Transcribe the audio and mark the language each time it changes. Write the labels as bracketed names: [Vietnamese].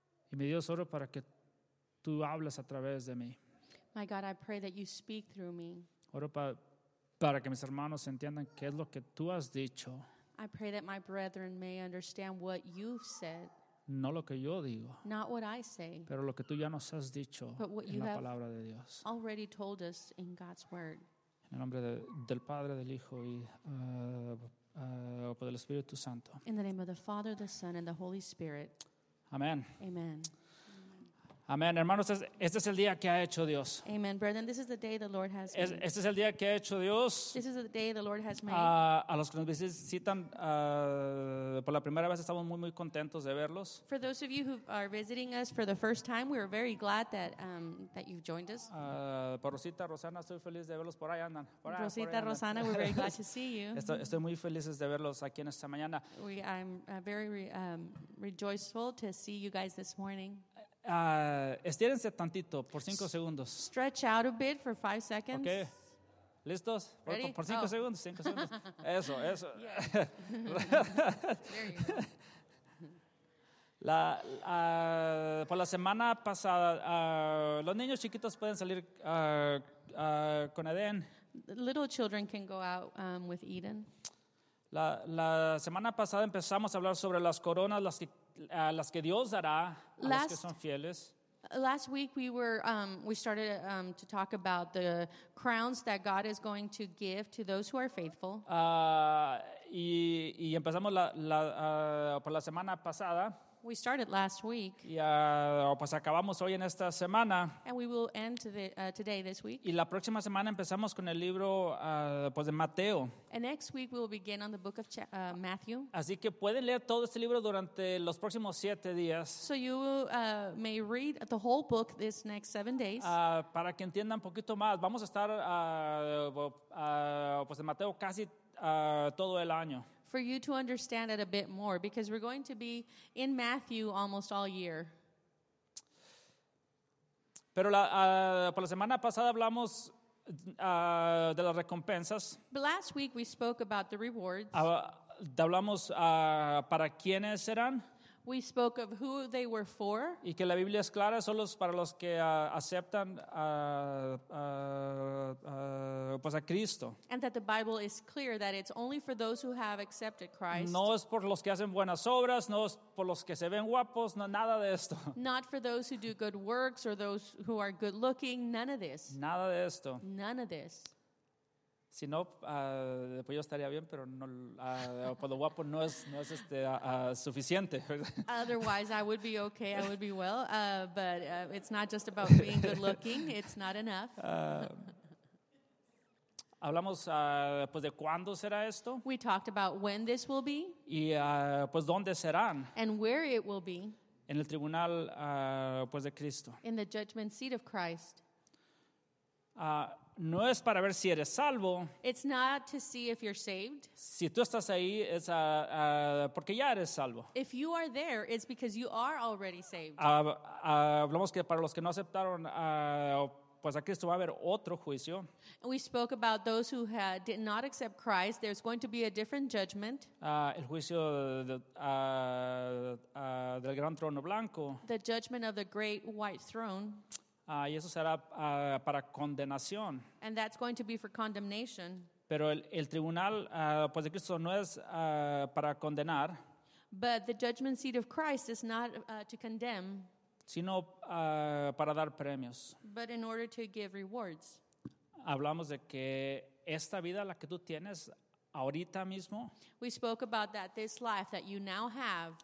[Spanish] Y mi Dios, oro para que tú hables a través de mí. [English] My God, I pray that you speak through me. [Spanish] Oro para que mis hermanos entiendan qué es lo que tú has dicho. [English] I pray that my brethren may understand what you've said. [Spanish] No lo que yo digo, [English] not what I say, [Spanish] pero lo que tú ya nos has dicho en la palabra de Dios. [English] Already told us in God's word. [Spanish] En el nombre del Padre, del Hijo y del Espíritu Santo. [English] In the name of the Father, the Son, and the Holy Spirit. [Spanish] Amén. [English] Amen. [Spanish] Amén, hermanos, este es el día que ha hecho Dios. [English] Amen, brethren, this is the day the Lord has made. [Spanish] Este es el día que ha hecho Dios. [English] This is the day the Lord has made. [Spanish] A los que nos visitan por la primera vez, estamos muy, muy contentos de verlos. [English] For those of you who are visiting us for the first time, we are very glad that that you've joined us. [Spanish] Por Rosita, Rosana, estoy feliz de verlos por ahí andan. [English] Rosana, we're very glad to see you. [Spanish] Estoy muy feliz de verlos aquí en esta mañana. [English] I'm very rejoiceful to see you guys this morning. [Spanish] Estírense tantito por 5 segundos. [English] Stretch out a bit for 5 seconds. [Spanish] Okay. ¿Listos? [English] Ready? [Spanish] Por 5 segundos, 5 segundos. Eso. [English] Yes. There you go. [Spanish] Por la semana pasada, los niños chiquitos pueden salir con Eden. [English] Little children can go out with Eden. [Spanish] La semana pasada empezamos a hablar sobre las coronas, las que Dios dará a los que son fieles. [English] Last week we started to talk about the crowns that God is going to give to those who are faithful. [Spanish] Y empezamos por la semana pasada. [English] We started last week. [Spanish] Pues acabamos hoy en esta semana. [English] And we will end today this week. [Spanish] Y la próxima semana empezamos con el libro pues de Mateo. [English] And next week we will begin on the book of Matthew. [Spanish] Así que pueden leer todo este libro durante los próximos 7 días. [English] So you may read the whole book this next 7 days. [Spanish] Para que entiendan un poquito más, vamos a estar pues de Mateo casi todo el año. [English] For you to understand it a bit more, because we're going to be in Matthew almost all year. [Spanish] Pero por la semana pasada hablamos de las recompensas. [English] But last week we spoke about the rewards. [Spanish] Hablamos para quiénes serán. [English] We spoke of who they were for. [Spanish] Y que la Biblia es clara, solo es para los que aceptan pues a Cristo. [English] And that the Bible is clear that it's only for those who have accepted Christ. [Spanish] No es por los que hacen buenas obras, no es por los que se ven guapos, no, nada de esto. [English] Not for those who do good works or those who are good looking, none of this. [Spanish] Nada de esto. [English] None of this. [Spanish] Si no, pues yo estaría bien, pero no, por lo guapo no es suficiente. [English] Otherwise, I would be okay, I would be well, but it's not just about being good looking, it's not enough. [Spanish] Hablamos, pues, de cuándo será esto. [English] We talked about when this will be. [Spanish] Y, pues, dónde serán. [English] And where it will be. [Spanish] En el tribunal, pues, de Cristo. [English] In the judgment seat of Christ. [Spanish] No es para ver si eres salvo. [English] It's not to see if you're saved. [Spanish] Si tú estás ahí, es porque ya eres salvo. [English] If you are there, it's because you are already saved. [Spanish] Hablamos que para los que no aceptaron, pues aquí esto va a haber otro juicio. [English] We spoke about those who did not accept Christ. There's going to be a different judgment. [Spanish] El juicio del gran trono blanco. [English] The judgment of the great white throne. [Spanish] Y eso será para condenación. [English] And that's going to be for condemnation. [Spanish] Pero el tribunal pues de Cristo no es para condenar. [English] But the judgment seat of Christ is not to condemn. [Spanish] Sino para dar premios. [English] But in order to give rewards. [Spanish] Hablamos de que esta vida la que tú tienes ahorita mismo. [English] We spoke about that this life that you now have